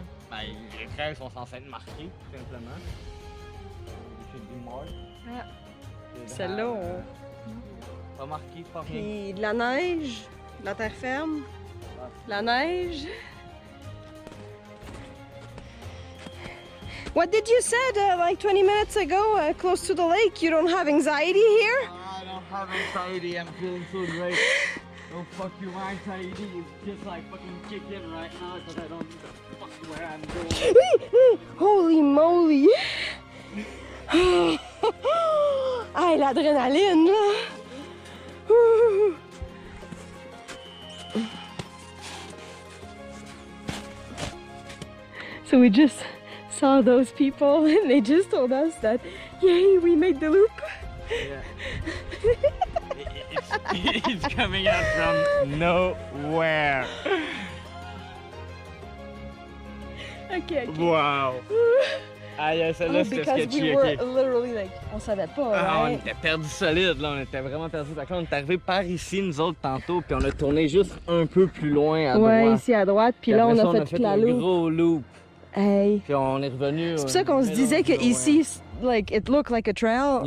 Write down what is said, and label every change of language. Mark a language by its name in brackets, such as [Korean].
[French] Ben, les trails sont censés être marqués, tout simplement. J'ai des marques. Ouais. Celle-là, on... Pas marqué, pas rien. Puis de la neige, de la terre ferme, la neige. [English] What did you say, like 20 minutes ago, close to the lake? You don't have anxiety here? I don't have anxiety, I'm feeling so great. Oh fuck you, my anxiety is just like fucking kicking right now because I don't know the fuck where I'm going. Holy moly! [French] Hey, l'adrénaline là! [English] So we just saw those people and they just told us that yay, we made the loop! Yeah. He's coming out from nowhere. Okay. Wow. Ah, yeah, so let's just get you. Because we were literally like, [French] on savait pas. Ah, on était perdu solide là. On était vraiment perdu. D'accord. On est arrivé par ici nous autres tantôt, puis on a tourné juste un peu plus loin à droite. Ouais, ici à droite. Puis là, on a fait la loop. On a fait un gros loop. Hey. Puis on est revenu. C'est pour ça qu'on se disait que ici, like, [English] it looked like a trail.